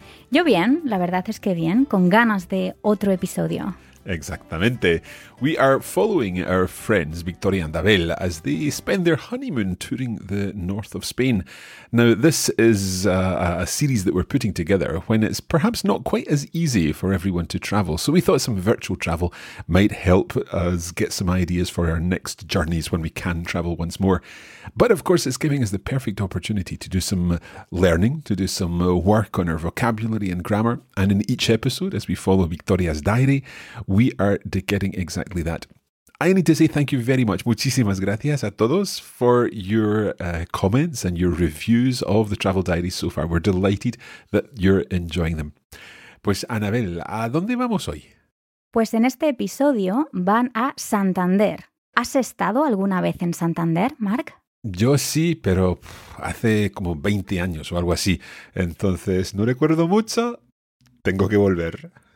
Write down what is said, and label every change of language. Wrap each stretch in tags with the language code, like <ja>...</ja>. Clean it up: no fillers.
<es>Yo bien, la verdad es que bien, con ganas de otro episodio. Exactamente.</es> <en>We are following our friends Victoria and Abel as they spend their honeymoon touring the north of Spain. Now, this is a series that we're putting together when it's perhaps not quite as easy for everyone to travel. So we thought some virtual travel might help us get some ideas for our next journeys when we can travel once more. But of course, it's giving us the perfect opportunity to do some learning, to do some work on our vocabulary and grammar. And in each episode, as we follow Victoria's diary, we are getting exactly that. I need to say thank you very much.</en> <es>Muchísimas gracias a todos</es> <en>for your comments and your reviews of the travel diaries so far. We're delighted that you're enjoying them.</en> <es>Pues, Anabel, ¿a dónde vamos hoy? Pues en este episodio van a Santander. ¿Has estado alguna vez en Santander, Mark? Yo sí, pero hace como 20 años o algo así. Entonces, no recuerdo mucho. Tengo que volver.</es>